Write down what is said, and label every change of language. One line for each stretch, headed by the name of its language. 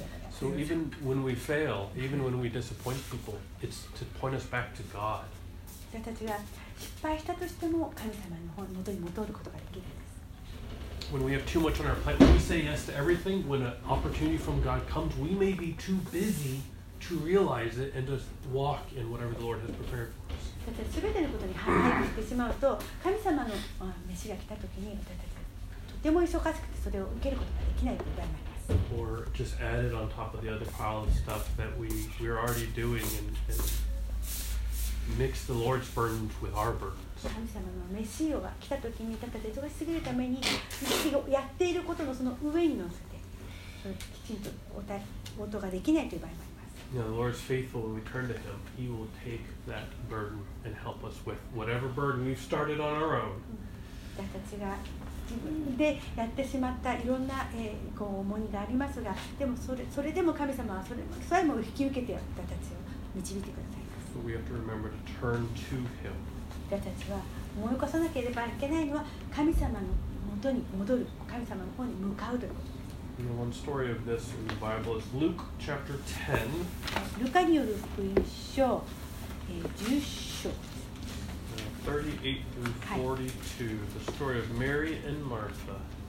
English: So even when we fail, even when we disappoint people, it's to point us back to God.
Japanese: 私たちが失敗したとしても神様の元に戻ることができるんです。
English: When we have too much on our plate, when we say yes to everything, when an opportunity from God comes, we may be too busy to realize it and to walk in whatever the Lord has prepared for us.
Japanese: 私たちすべてのことに反対してしまうと、神様の召しが来たときに私たちがとても忙しくてそれを受けることができないことになります。
English: Or just add it on top of the other pile of stuff that we're already doing and mix the Lord's burdens with our burdens.
Japanese: 神様のメシオが来た時に、ただ忙しすぎるためにやっていることのその上に乗せて、きちんと応答ができないという場合もあります。
English: You know, the Lord is faithful when we turn to Him. He will take that burden and help us with whatever burden we've started on our own.
Japanese: 私たちが自分でやってしまったいろんな、こう重荷がありますが、でもそれでも神様はそれも引き受けて私たちを導いてください。
English: So we have to remember to turn to Him.
Japanese: 私たちは思い起こさなければいけないのは神様の元に戻る、神様の方に向かうということ。
English: You know, one story of this in the Bible is Luke chapter 10.
Japanese: ルカによる福音書10章。
English: 38-42, the story of Mary and Martha.